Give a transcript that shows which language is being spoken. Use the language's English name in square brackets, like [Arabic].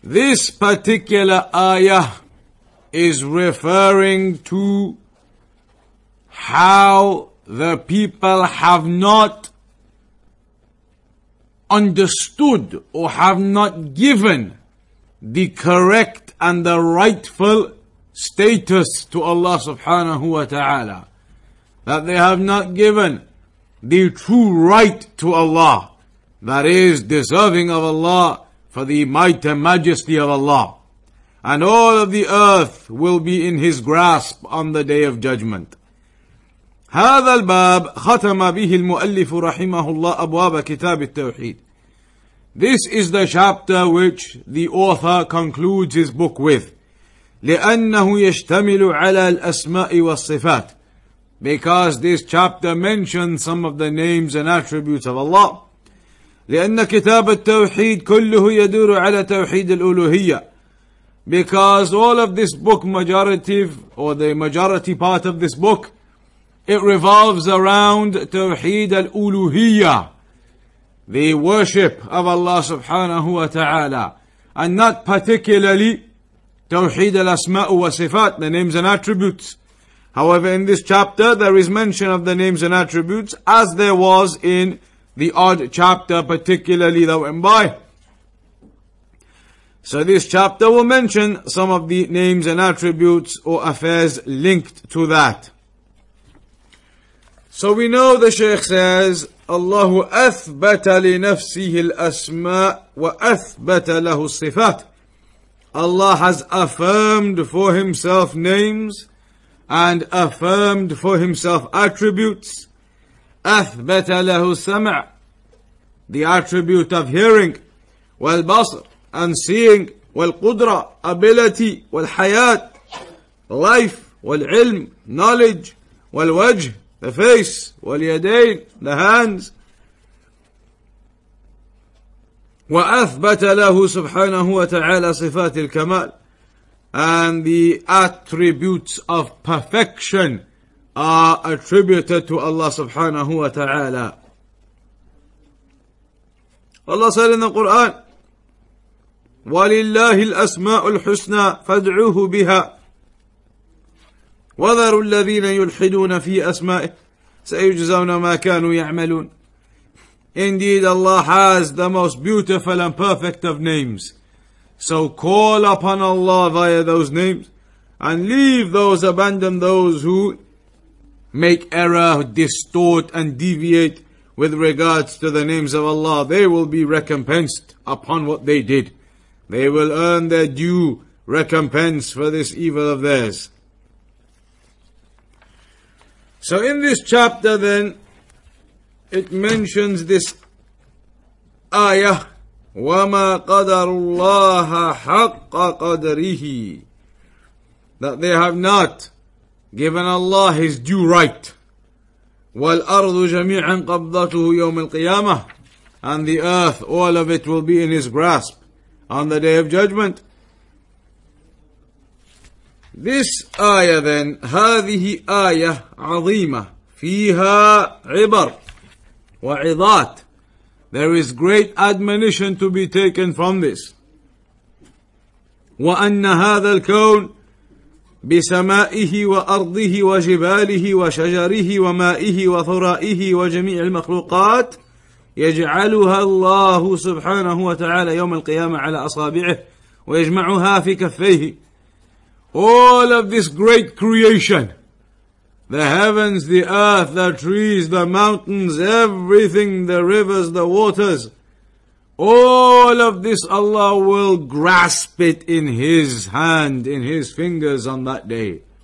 [English] This particular ayah is referring to how the people have not understood or have not given the correct and the rightful status to Allah subhanahu wa ta'ala. That they have not given the true right to Allah, that is, deserving of Allah for the might and majesty of Allah. And all of the earth will be in His grasp on the Day of Judgment. [Arabic] هذا الباب ختم به المؤلف رحمه الله أبواب كتاب التوحيد. [English] This is the chapter which the author concludes his book with. [Arabic] لِأَنَّهُ يَشْتَمِلُ عَلَى الْأَسْمَاءِ وَالصِّفَاتِ. [English] Because this chapter mentions some of the names and attributes of Allah. [Arabic] لِأَنَّ كِتَابَ التَّوْحِيدِ كُلُّهُ يَدُورُ عَلَى تَوْحِيدِ الْأُلُوهِيَّةِ. [English] Because all of this book, the majority part of this book, it revolves around [Arabic] تَوْحِيدَ الْأُلُوهِيَّةِ, [English] the worship of Allah subhanahu wa ta'ala, and not particularly Tawheed al-Asma'u wa Sifat, the names and attributes. However, in this chapter, there is mention of the names and attributes, as there was in the odd chapter particularly that went by. So this chapter will mention some of the names and attributes or affairs linked to that. So we know the Shaykh says, [Arabic] الله أثبت لنفسه الأسماء وأثبت له الصفات. [English] Allah has affirmed for Himself names and affirmed for Himself attributes. [Arabic] أثبت له السمع, [English] the attribute of hearing, والبصر, and seeing, والقدرة, ability, والحياة, life, والعلم, knowledge, والوجه, the face, واليدين, the hands. [Arabic] وَأَثْبَتَ لَهُ سُبْحَانَهُ وَتَعَالَى صِفَاتِ الْكَمَالِ, [English] and the attributes of perfection are attributed to Allah subhanahu wa ta'ala. Allah said in the Quran, [Arabic] وَلِلَّهِ الْأَسْمَاءُ الْحُسْنَى فَادْعُوهُ بِهَا وَذَرُوا الَّذِينَ يُلْحِدُونَ فِي أَسْمَائِهِ سَيُجْزَوْنَ مَا كَانُوا يَعْمَلُونَ. [English] Indeed, Allah has the most beautiful and perfect of names. So call upon Allah via those names and abandon those who make error, distort and deviate with regards to the names of Allah. They will be recompensed upon what they did. They will earn their due recompense for this evil of theirs. So in this chapter then, it mentions this ayah, [Arabic] وَمَا قَدَرُ اللَّهَ حَقَّ قَدْرِهِ, [English] that they have not given Allah His due right. [Arabic] وَالْأَرْضُ جَمِيعًا قَبْضَتُهُ يَوْمِ الْقِيَامَةِ, [English] and the earth, all of it will be in His grasp on the Day of Judgment. This ayah then, [Arabic] هَذِهِ آيَةٌ عَظِيمَةٌ فِيهَا عِبَرٌ وعظات. [English] There is great admonition to be taken from this. [Arabic] وَأَنَّ هَذَا الْكَوْنِ, بسمائه وأرضه وجباله وشجره ومائه وثرائه وجميع المخلوقات يجعلها الله سبحانه وتعالى يوم القيامة على أصابعه ويجمعها في كفيه. [English] All of this great creation, the heavens, the earth, the trees, the mountains, everything, the rivers, the waters, all of this Allah will grasp it in His hand, in His fingers on that day.